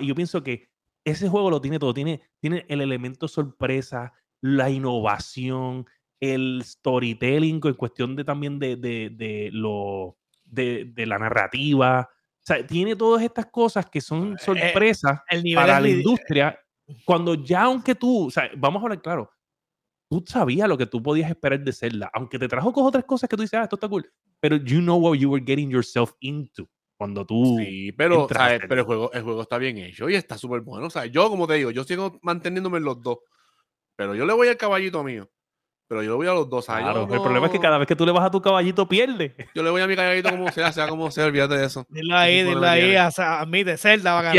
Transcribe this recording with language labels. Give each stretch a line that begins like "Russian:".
Spanish: Y yo pienso que ese juego lo tiene todo. Tiene el elemento sorpresa, la innovación, el storytelling en cuestión de también de la narrativa. O sea, tiene todas estas cosas que son sorpresas para la industria. Cuando ya, aunque tú, o sea, vamos a hablar claro. Tú sabías lo que tú podías esperar de Zelda. Aunque te trajo con otras cosas que tú dices, ah, esto está cool. Pero
English: you know what you were getting yourself into
Spanish: cuando tú... Sí, pero el juego está bien hecho y está súper bueno. O sea, yo, como te digo, yo sigo manteniéndome en los dos. Pero yo le voy al caballito mío. Pero yo le voy a los dos. Claro, años. El problema es que cada vez que tú le vas a tu caballito, pierde. Yo le voy a mi caballito como sea, sea como sea, olvídate de eso. Dilo ahí, o sea, a mí de Zelda va a ganar.